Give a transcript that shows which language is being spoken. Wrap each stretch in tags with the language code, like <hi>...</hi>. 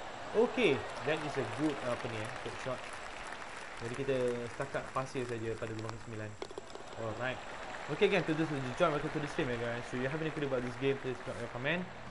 <en>Okay, that is a good</en> <ms>apa ni eh,</ms> <en>good shot.</en> <ms>Jadi kita setakat pasir saja pada lubang ke-9.</ms> <en>Alright. Okay guys, to this join, welcome to the stream guys. So you have any clue about this game, please drop your comment.</en>